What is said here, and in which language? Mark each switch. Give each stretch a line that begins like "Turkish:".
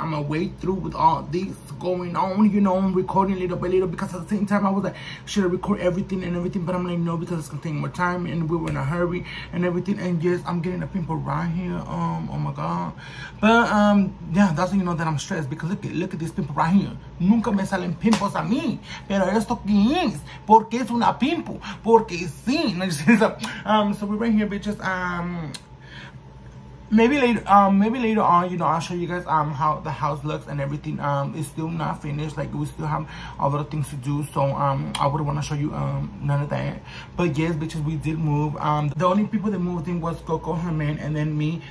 English: I'm gonna wait through with all this going on, you know, I'm recording little by little, because at the same time I was like, should I record everything and everything? But I'm like, no, because it's gonna take more time and we were in a hurry and everything. And yes, I'm getting a pimple right here. Oh my god. But yeah, that's when you know that I'm stressed, because look at this pimple right here.
Spanish: Nunca me salen pimples a mí. Pero esto que es, porque es una pimple, porque sí.
English: So we're right here, bitches. Maybe later on, you know, I'll show you guys how the house looks and everything. It's still not finished. Like, we still have a lot of things to do. So I wouldn't want to show you none of that. But yes, bitches, we did move. The only people that moved in was Coco, her man, and then me.